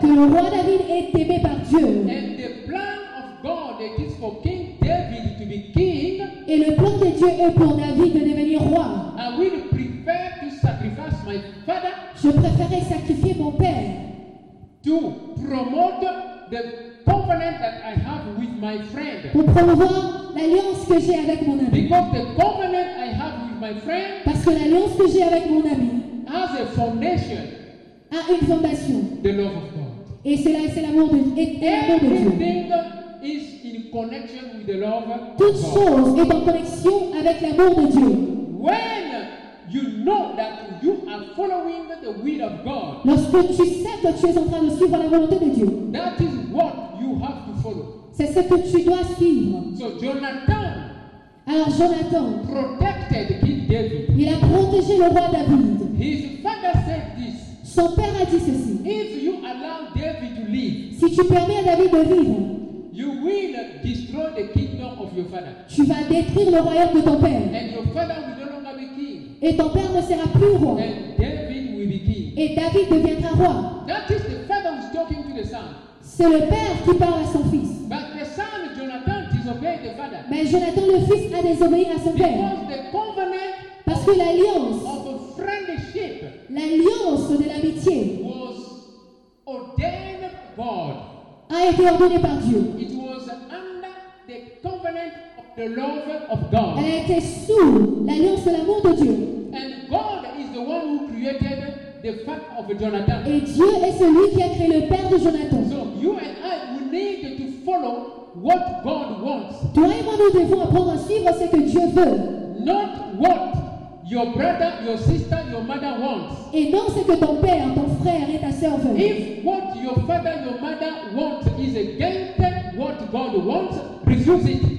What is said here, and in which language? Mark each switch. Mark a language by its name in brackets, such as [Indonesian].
[French] Que le roi David est aimé par Dieu. [English] And the plan of God is for King David to be king. [French] Et le plan de Dieu est pour David de devenir roi. [English] I will prefer to sacrifice my father. [French] Je préférerais sacrifier mon père. [English] To promote the covenant that I have with my friend. [French] Pour promouvoir l'alliance que j'ai avec mon ami. [English] Because the covenant I have with my friend. [French] Parce que l'alliance que j'ai avec mon ami. [English] Has a foundation. [French] A une fondation. [English] The love of God. [French] Et c'est l'amour de Dieu. Toute chose est en connexion avec l'amour de Dieu. [English] When you know that you are following the will of God. [French] Lorsque tu sais que tu es en train de suivre la volonté de Dieu. [English] That is what you have to follow. [French] C'est ce que tu dois suivre. [English] So Jonathan. [French] Alors Jonathan. [English] Protected King David. [French] Il a protégé le roi David. [English] His father said this. [French] Son père a dit ceci. [English] If you allow David to live, [French] si tu permets à David de vivre, [English] you will destroy the kingdom of your father. [French] Tu vas détruire le royaume de ton père. [English] And your father will no longer be king. [French] Et ton père ne sera plus roi. [English] And David will be king. [French] Et David deviendra roi. [English] That is the father who's talking to the son. [French] C'est le père qui parle à son fils. [English] But the son, Jonathan, disobeyed the father. [French] Mais Jonathan, le fils, a désobéi à son [English] because [French] père. [English] The covenant. [French] Parce que l'alliance. [English] Of a friendship. [French] L'alliance de l'amitié [English] was ordained God. [French] A été ordonnée par Dieu. [English] It was under the covenant of the love of God. [French] Elle était sous l'alliance de l'amour de Dieu. [English] And God is the one who created the father of Jonathan. [French] Et Dieu est celui qui a créé le père de Jonathan. [English] So you and I, we need to follow what God wants. [French] Toi et moi, nous devons apprendre à suivre ce que Dieu veut. [English] Not what your brother, your sister, your mother wants. [French] Et non, ce que ton père, ton frère et ta sœur veulent. [English] If what your father, your mother want is against what God wants, refuse it.